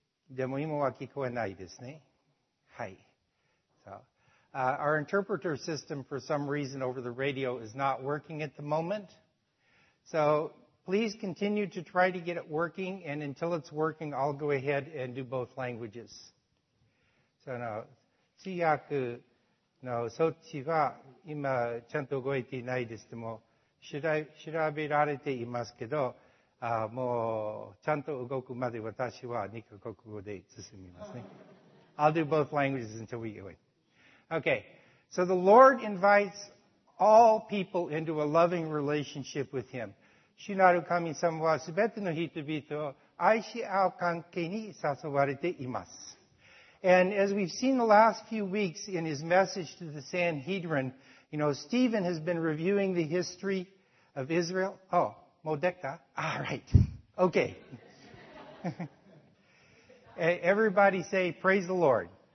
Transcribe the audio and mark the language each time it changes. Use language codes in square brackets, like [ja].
[ja] でも今は聞こえないですね。はい。 [en] So, our interpreter system, for some reason, over the radio is not working at the moment. So please continue to try to get it working, and until it's working, I'll go ahead and do both languages. So now, [ja] 通訳の装置は今ちゃんと動いていないですけども、調べられていますけど、もうちゃんと動くまで私は2カ国語で進みますね。 [en] I'll do both languages until we get away. Okay, so the Lord invites all people into a loving relationship with him. [ja] 主なる神様はすべての人々を愛し合う関係に誘われています。 [en] And as we've seen the last few weeks in his message to the Sanhedrin, you know, Stephen has been reviewing the history of Israel. Oh. [ja] もうできた? [en] All right. Okay. Everybody say, praise the Lord.